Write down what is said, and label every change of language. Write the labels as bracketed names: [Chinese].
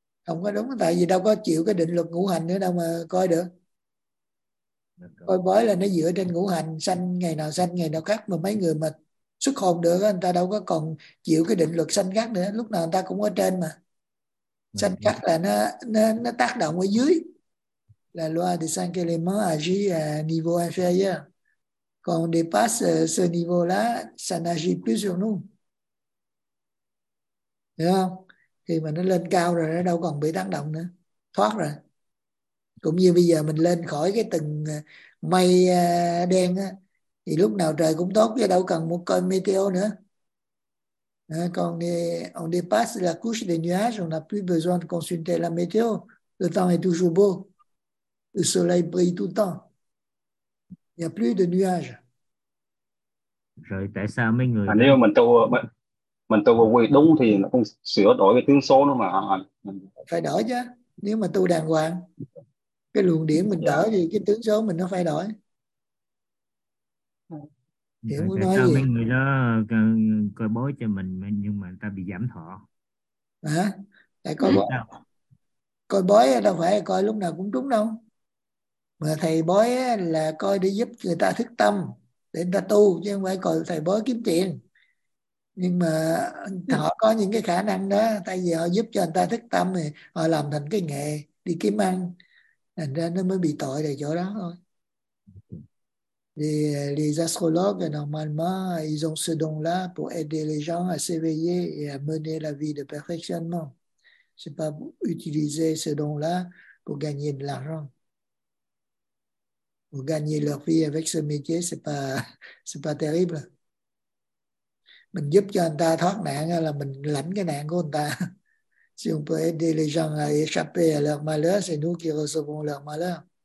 [Vietnamese] Không có đúng, tại vì đâu có chịu cái định luật ngũ hành nữa đâu mà coi được. Coi bói là nó dựa trên ngũ hành, sanh ngày nào khác, mà mấy người mà xuất hồn được người ta đâu có còn chịu cái định luật sanh khác nữa, lúc nào người ta cũng ở trên mà. Sanh khác là nó tác động ở dưới. [French] La loi des cinq éléments agit à niveau inférieur. Quand on dépasse ce niveau-là, ça n'agit plus sur nous. [Vietnamese] Thấy không? Khi mà nó lên cao rồi, nó đâu còn bị tác động nữa. Thoát rồi. Cũng như bây giờ mình lên khỏi cái tầng mây đen á, thì lúc nào trời cũng tốt, chứ đâu cần một cơn meteo nữa. [French] Quand on dépasse la couche des nuages, on n'a plus besoin de consulter la météo. Le temps est toujours beau. Le soleil brille tout le temps. Il n'y a plus de nuages. [Vietnamese] Rồi tại sao mấy người nếu mình tu vô quy đúng thì nó cũng sửa đổi cái tướng số nó mà phải đổi chứ. Nếu mà tu đàng hoàng, cái luồng điểm mình đổi thì cái tướng số mình nó phải đổi. Hiểu muốn nói gì? Mấy người đó coi bói cho mình nhưng mà người ta bị giảm thọ. Hả? Tại coi bói. Coi bói đâu phải coi lúc nào cũng trúng đâu. Mà thầy bói là coi để giúp người ta thức tâm, để người ta tu, chứ không phải coi thầy bói kiếm tiền. Nhưng mà họ có những cái khả năng đó, tại vì họ giúp cho người ta thức tâm, thì họ làm thành cái nghề đi kiếm ăn. Thành ra nó mới bị tội ở chỗ đó thôi. [French] Les astrologues, normalement, ils ont ce don-là pour aider les gens à s'éveiller et à mener la vie de perfectionnement. C'est pas utiliser ce don-là pour gagner de l'argent. Pour gagner leur vie avec ce métier, c'est pas terrible. [Vietnamese] Mình giúp cho người ta thoát nạn là mình lãnh cái nạn của người ta. [French] Si on peut aider les gens à échapper à leur malheur, c'est nous qui recevons leur malheur.